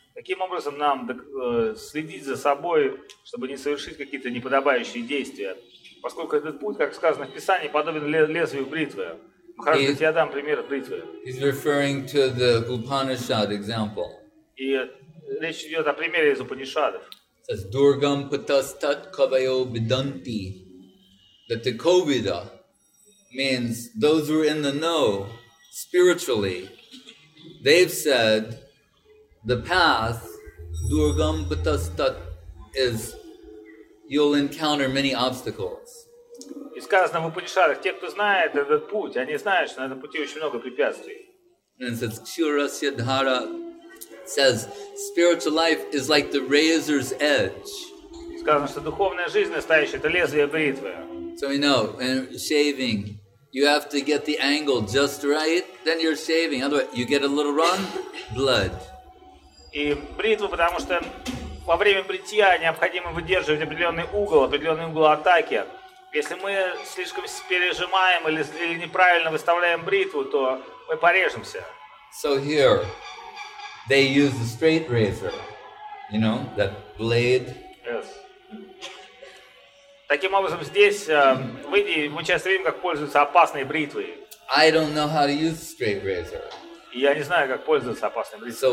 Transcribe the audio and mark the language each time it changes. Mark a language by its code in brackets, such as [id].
[ru] Каким образом нам следить за собой, чтобы не совершить какие-то неподобающие действия? Поскольку этот путь, как сказано в Писании, подобен лезвию бритвы. Хорошо, я дам пример бритвы. [en] He's referring to the Upanishad example. [ru] И речь идет о примере из Упанишадов. [en] It says, [sa] Durgam putastat kavayo bidanti. [en] That the kovida means those who are in the know spiritually, they've said the path, [sa] Durgam putastat, [en] is you'll encounter many obstacles. [ru] И сказано в Упанишадах, те, кто знает этот путь, они знают, что на этом пути очень много препятствий. [en] And it says, [sa] Kshurasya dhara [en] says spiritual life is like the razor's edge. [ru] Сказано, что духовная жизнь настоящая — это лезвие бритвы. [en] So you know, in shaving, you have to get the angle just right, then you're shaving. Otherwise, you get a little wrong, blood. [ru] и бритву, потому что во время бритья необходимо выдерживать определенный угол атаки. Если мы слишком пережимаем или неправильно выставляем бритву, то мы порежемся. [en] So here they use the straight razor, you know, that blade. Yes. [ru] Таким образом, здесь мы часто видим, как пользуются опасной бритвой. [en] I don't know how to use straight razor. [ru] Я не знаю, как пользоваться опасной бритвой.